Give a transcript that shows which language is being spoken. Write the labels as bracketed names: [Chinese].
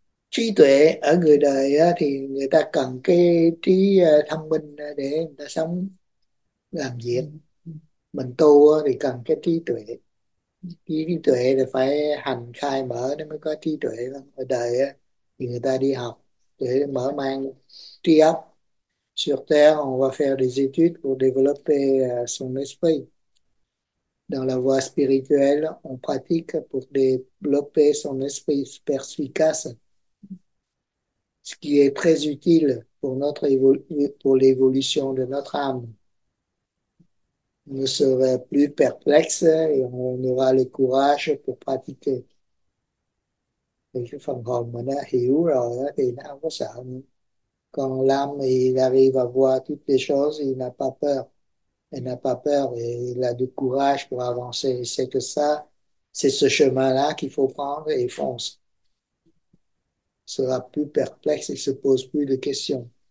[Vietnamese] trí tuệ ở người đời thì người ta cần cái trí thông minh để người ta sống làm việc, mình tu thì cần cái trí tuệ. Trí tuệ là phải hành khai mở nó mới có trí tuệ. Ở đời á, thì người ta đi học để mở mang trí óc. [French] Sur terre, on va faire des études pour développer son esprit. Dans la voie spirituelle, on pratique pour développer son esprit perspicace, ce qui est très utile pour pour l'évolution de notre âme. Ne serait plus perplexe et on aura le courage pour pratiquer. [Vietnamese] Et cái phần hồn mà nó hiểu rồi đó, thì nó không có sợ nữa. [French] Còn l'âme, il arrive à voir toutes les choses, il n'a pas peur. Il n'a pas peur et il a du courage pour avancer. C'est que ça, c'est ce chemin-là qu'il faut prendre et fonce. Sera plus perplexe et se pose plus de questions.